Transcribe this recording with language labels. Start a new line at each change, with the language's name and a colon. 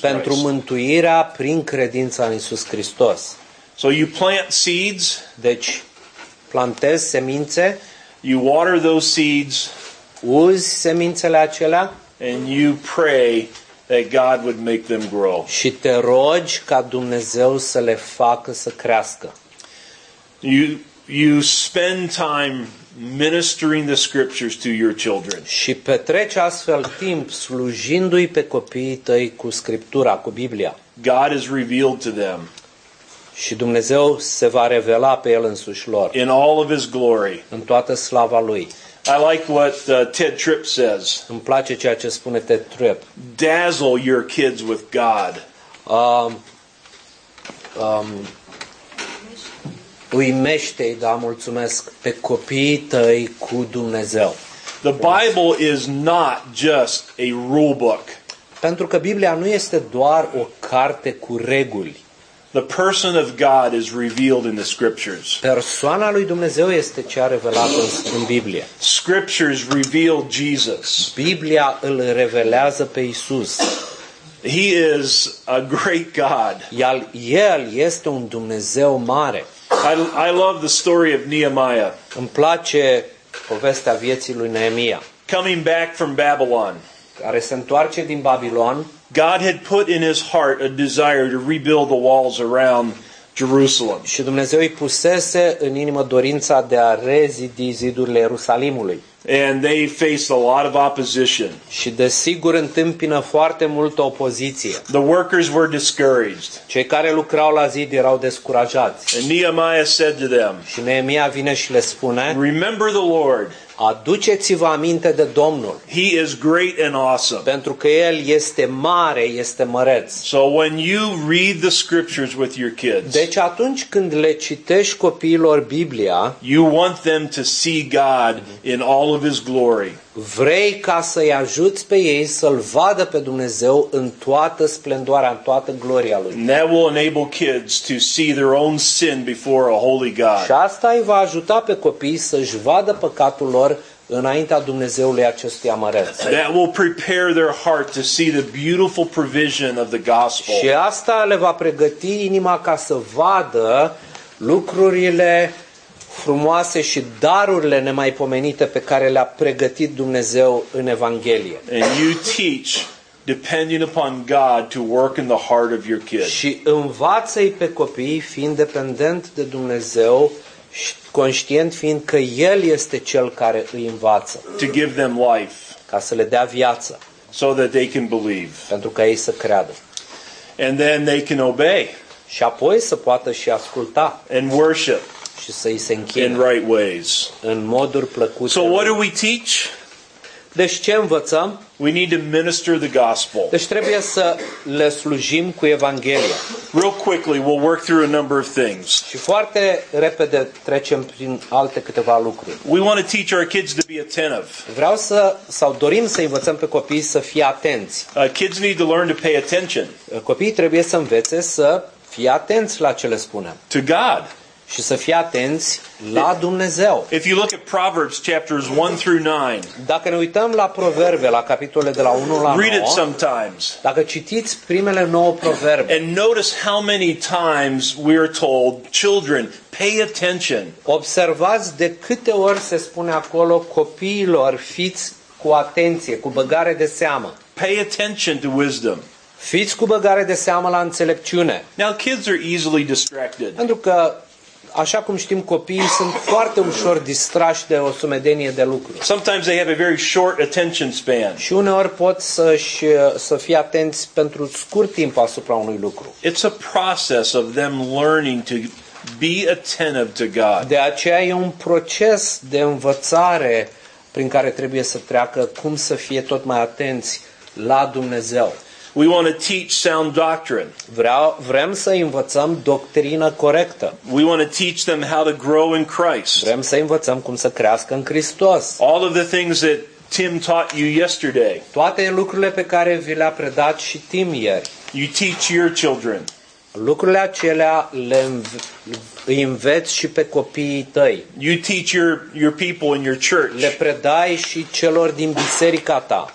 Romanian: Pentru mântuirea prin credința în Iisus Hristos.
English: So you plant seeds,
Romanian: deci plantezi semințe,
English: you water those seeds,
Romanian: uzi semințele acelea,
English: and you pray that God would make them grow.
Romanian: Și te rogi ca Dumnezeu să le facă să crească.
English: You spend time ministering the scriptures to your children.
Romanian: Și petreci astfel timp slujindu-i pe copiii tăi cu Scriptura, cu Biblia.
English: God is revealed to them.
Romanian: Și Dumnezeu se va revela pe el însuși lor.
English: In all of his glory.
Romanian: În toată slava lui.
English: I like what Ted Tripp says.
Romanian: Îmi place ceea ce spune Ted Tripp.
English: Dazzle your kids with God.
Romanian: Uimește-i, da, mulțumesc, pe copiii tăi cu Dumnezeu.
English: The Bible is not just a rule book.
Romanian: Pentru că Biblia nu este doar o carte cu reguli.
English: The person of God is revealed in the scriptures.
Romanian: Persoana lui Dumnezeu este cea revelată în Biblie.
English: Scriptures reveal Jesus.
Romanian: Biblia îl revelează pe Iisus.
English: He is a great God.
Romanian: El este un Dumnezeu mare.
English: I love the story of Nehemiah.
Romanian: Îmi place povestea vieții lui Nehemia.
English: Coming back from Babylon.
Romanian: Care se întoarce din Babilon.
English: God had put in his heart a desire to rebuild the walls around Jerusalem.
Romanian: Și Dumnezeu îi pusese în inimă dorința de a rezidi zidurile Ierusalimului.
English: And they faced a lot of opposition.
Romanian: Și desigur întâmpină foarte multă opoziție.
English: The workers were discouraged.
Romanian: Cei care lucrau la zid erau descurajați.
English: And Nehemiah said to them.
Romanian: Și Nehemia vine și le spune.
English: Remember the Lord.
Romanian: Aduceți-vă aminte de Domnul.
English: He is great and awesome.
Romanian: Pentru că El este mare, este măreț.
English: So when you read the scriptures with your kids.
Romanian: Deci atunci când le citești copiilor Biblia,
English: you want them to see God in all of his glory.
Romanian: Vrei ca să-i ajuți pe ei să-l vadă pe Dumnezeu în toată splendoarea, în toată gloria lui.
English: That will enable kids to see their own sin before a holy God.
Romanian: Și asta îi va ajuta pe copii să-și vadă păcatul lor înaintea Dumnezeului acestui amăreț.
English: That will prepare their heart to see the beautiful provision of the gospel.
Romanian: Și asta le va pregăti inima ca să vadă lucrurile frumoase și darurile nemaipomenite pe care le-a pregătit Dumnezeu în Evanghelie.
English: And you teach depending upon God to work in the heart of your kids.
Romanian: Și învață-i pe copii fiind dependent de Dumnezeu și conștient fiind că El este Cel care îi învață.
English: To give them life.
Romanian: Ca să le dea viață.
English: So that they can believe.
Romanian: Pentru ca ei să creadă.
English: And then they can obey.
Romanian: Și apoi să poată și asculta.
English: And worship.
Romanian: Și să îi se închine.
English: In right ways.
Romanian: În moduri plăcute.
English: So what do we teach?
Romanian: Deci ce învățăm?
English: We need to minister the gospel.
Romanian: Deci trebuie să le slujim cu Evanghelia.
English: Real quickly, we'll work through a number of things.
Romanian: Și foarte repede trecem prin alte câteva lucruri.
English: We want to teach our kids to be attentive.
Romanian: Vreau să sau dorim să învățăm pe copii să fie atenți.
English: Kids need to learn to pay attention.
Romanian: Copiii trebuie să învețe să fie atenți la ce le spunem.
English: To God.
Romanian: Și să fie atenți la Dumnezeu.
English: If you look at Proverbs chapters 1 through 9.
Romanian: Dacă ne uităm la proverbe, la capitolele de la 1 la 9.
English: Read it sometimes.
Romanian: Dacă citiți primele 9 proverbe.
English: And notice how many times we are told, children, pay attention.
Romanian: Observați de câte ori se spune acolo copiilor, fiți cu atenție, cu băgare de seamă.
English: Pay attention to wisdom.
Romanian: Fiți cu băgare de seamă la înțelepciune.
English: Now kids are easily distracted.
Romanian: Pentru că așa cum știm, copiii sunt foarte ușor distrași de o sumedenie de lucruri.
English: Sometimes they have a very short attention span.
Romanian: Și uneori pot să fie atenți pentru scurt timp asupra unui lucru.
English: It's a process of them learning to be attentive to God.
Romanian: De aceea e un proces de învățare prin care trebuie să treacă cum să fie tot mai atenți la Dumnezeu.
English: We want to teach sound doctrine.
Romanian: Vrem să învățăm doctrină corectă.
English: We want to teach them how to grow in Christ.
Romanian: Vrem să învățăm cum să crească în Hristos.
English: All of the things that Tim taught you yesterday.
Romanian: Toate lucrurile pe care vi le-a predat și Tim ieri.
English: You teach your children.
Romanian: Lucrurile acelea le înveți și pe copiii tăi.
English: You teach your people in your church.
Romanian: Le predai și celor din biserica ta.